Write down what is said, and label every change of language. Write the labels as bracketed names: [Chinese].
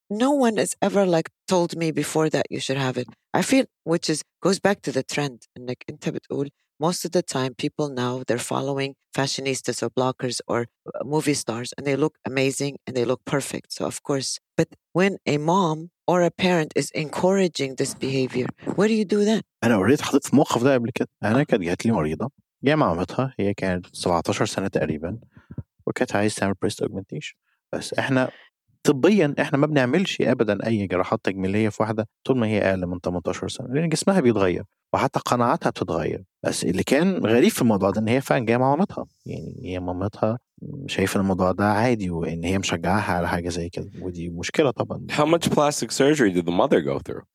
[English] No one has ever like told me before that you should have it. I feel, which is goes back to the trend. And like [Arabic] أنت بتقول, [English] most of the time people now they're following fashionistas or bloggers or movie stars and they look amazing and they look perfect. So of course, but when a mom or a parent is encouraging this behavior, what do you do then? [Arabic] أنا قريت حطيت في موقف ده قبل كده. أنا كانت جات لي مريضة جاي مع مامتها هي كانت 17 سنة تقريبا وكانت عايز تعمل breast augmentation. بس إحنا طبيا إحنا ما بنعملش أبدا أي جراحات تجميلية في واحدة طول ما هي أقل من 18 سنة لأن جسمها بيتغير وحتى قناعاتها بتتغير. بس اللي كان غريب في الموضوع ده إن هي فعلا جاي مع مامتها يعني هي مامتها شايف الموضوع ده عادي وإن هي مشجعها على حاجة زي كده ودي مشكلة طبعا. [English] How much plastic surgery did the mother go through?